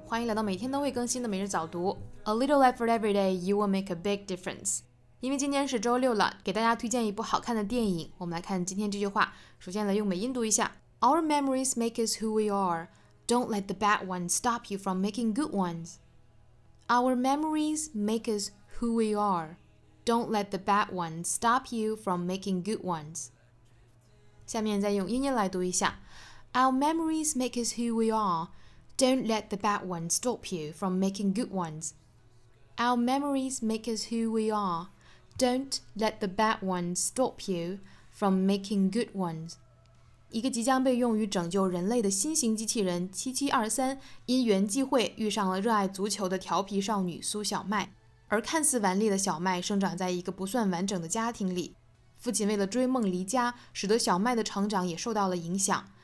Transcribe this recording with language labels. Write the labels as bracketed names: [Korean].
[Chinese] 欢迎来到每天都会更新的每日早读。 [English] A little effort every day, you will make a big difference. [Chinese] 因为今天是周六了，给大家推荐一部好看的电影。我们来看今天这句话。首先来用美音读一下。 [English] Our memories make us who we are. Don't let the bad ones stop you from making good ones. Our memories make us who we are. Don't let the bad ones stop you from making good ones. [Chinese] 下面再用英音来读一下。 Our memories make us who we are. Don't let the bad ones stop you from making good ones. Our memories make us who we are. Don't let the bad ones stop you from making good ones. 一个即将被用于拯救人类的新型机器人7723因缘际会遇上了热爱足球的调皮少女苏小麦。而看似顽劣的小麦生长在一个不算完整的家庭里。父亲为了追梦离家，使得小麦的成长也受到了影响。